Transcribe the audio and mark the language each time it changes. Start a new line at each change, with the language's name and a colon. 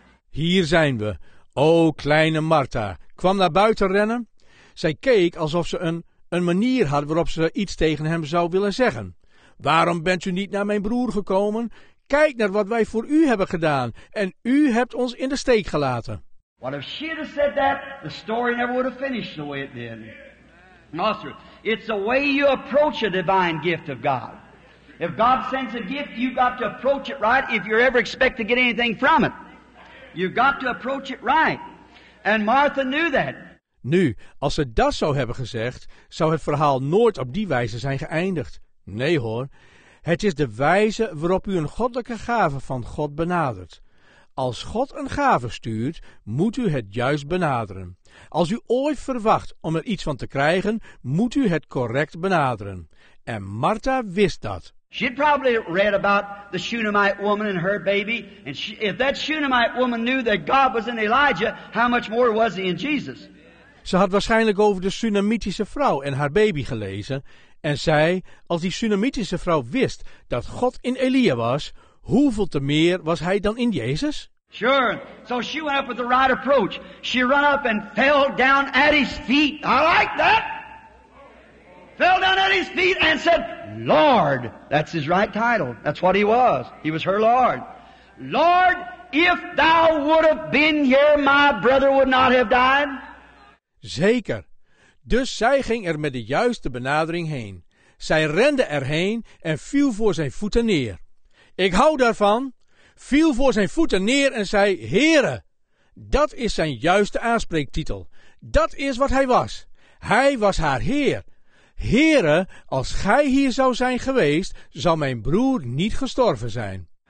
Dutch: Hier zijn we. Oh, kleine Martha, kwam naar buiten rennen. Zij keek alsof ze een manier had waarop ze iets tegen hem zou willen zeggen. Waarom bent u niet naar mijn broer gekomen? Kijk naar wat wij voor u hebben gedaan, en u hebt ons in de steek gelaten.
English: What if she had said that, the story never would have finished the way it did. No, sir. It's the way you approach a divine gift of God. If God sends a gift, you've got to approach it right if you ever expect to get anything from it. You've got to approach it right. And Martha knew that.
Dutch: Nu, als ze dat zou hebben gezegd, zou het verhaal nooit op die wijze zijn geëindigd. Nee hoor, het is de wijze waarop u een goddelijke gave van God benadert. Als God een gave stuurt, moet u het juist benaderen. Als u ooit verwacht om er iets van te krijgen, moet u het correct benaderen. En Martha wist dat.
English: She'd probably read about the Shunammite woman and her baby. And she, if that Shunammite woman knew that God was in Elijah, how much more was he in Jesus?
Dutch: Ze had waarschijnlijk over de Shunammitische vrouw en haar baby gelezen. En zei, als die Shunammitische vrouw wist dat God in Elia was, hoeveel te meer was hij dan in Jezus?
English: Sure. So she went up with the right approach. She ran up and fell down at his feet. I like that. Fell down at his feet and said, Lord. That's his right title. That's what he was. He was her Lord. Lord, if thou would have been here, my brother would not have died.
Dutch: Zeker. Dus zij ging er met de juiste benadering heen. Zij rende erheen en viel voor zijn voeten neer. Ik hou daarvan, viel voor zijn voeten neer en zei, Heere, dat is zijn juiste aanspreektitel. Dat is wat hij was. Hij was haar Heer. Heere, als gij hier zou zijn geweest, zou mijn broer niet gestorven zijn.